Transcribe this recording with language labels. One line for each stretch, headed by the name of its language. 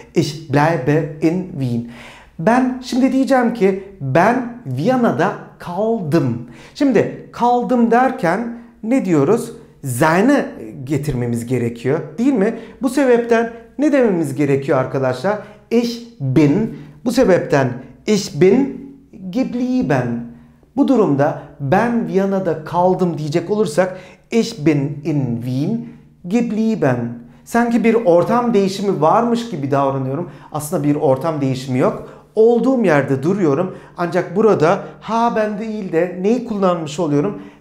German: Ich bleibe in Wien.
Turkish: Ben şimdi diyeceğim ki ben Viyana'da kaldım. Şimdi kaldım derken ne diyoruz? Zane getirmemiz gerekiyor, değil mi? Bu sebepten ne dememiz gerekiyor arkadaşlar?
German: Ich bin.
Turkish: Bu sebepten
German: ich bin geblieben.
Turkish: Bu durumda ben Viyana'da kaldım diyecek olursak
German: ich bin in Wien geblieben.
Turkish: Sanki bir ortam değişimi varmış gibi davranıyorum. Aslında bir ortam değişimi yok. Olduğum yerde duruyorum. Ancak burada ha ben değil de neyi kullanmış oluyorum?